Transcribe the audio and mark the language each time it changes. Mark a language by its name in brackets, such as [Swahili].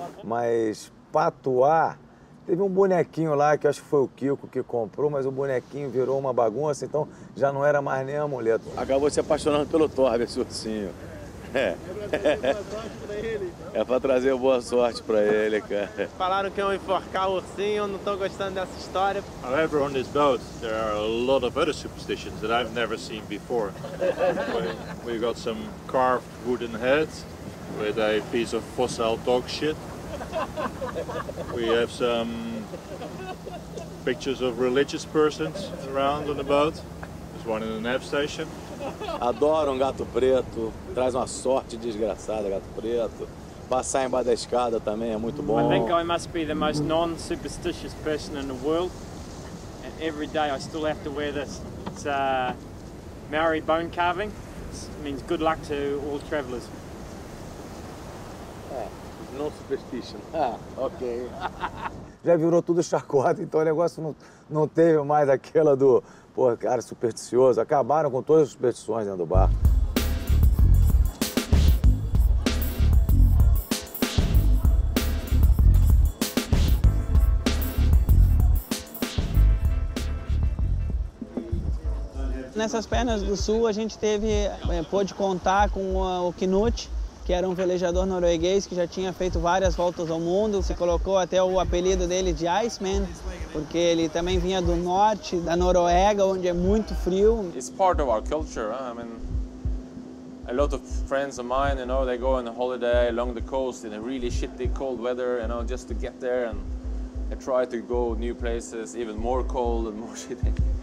[Portuguese] Mas patuá, teve um bonequinho lá, que acho que foi o Kiko que comprou, mas o bonequinho virou uma bagunça, então já não era mais nem amuleto. Acabou se apaixonando pelo Torbe, surdinho. É pra trazer boa sorte pra ele, cara. Falaram que iam enforcar o ursinho, não tô gostando dessa história. [English] All over on this boat, there are a lot of other superstitions that I've never seen before. We got some carved wooden heads with a piece of fossil dog shit. We have some pictures of religious persons around on the boat. There's one in the nav station. [Portuguese] Adoro um gato preto, traz uma sorte desgraçada, gato preto. Passar embaixo da escada também é muito bom. [English] I think I must be the most non-superstitious person in the world. And every day I still have to wear this. It's Maori bone carving. It means good luck to all travelers. No superstition. Ah, ok. [Portuguese] Já virou tudo chacota, então o negócio não teve mais aquela do... Pô, cara, supersticioso. Acabaram com todas as superstições dentro do bar. Nessas pernas do sul, a gente pôde contar com o Knut, que era um velejador norueguês que já tinha feito várias voltas ao mundo. Se colocou até o apelido dele de Iceman, porque ele também vinha do norte da Noruega, onde é muito frio. [English] It's part of our culture. I mean, a lot of friends of mine, you know, they go on a holiday along the coast in a really shitty cold weather, you know, just to get there and they try to go new places even more cold and more shitty.